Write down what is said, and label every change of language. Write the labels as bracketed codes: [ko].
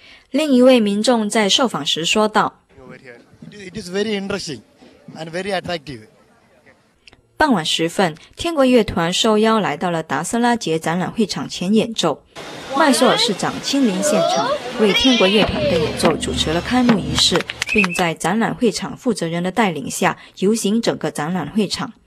[zh] 另一位民众在受访时说道， [en] It is very interesting and very attractive. [zh] 傍晚时分，天国乐团受邀来到了达斯拉杰展览会场前演奏，麦索尔市长亲临现场为天国乐团的演奏主持了开幕仪式，并在展览会场负责人的带领下游行整个展览会场。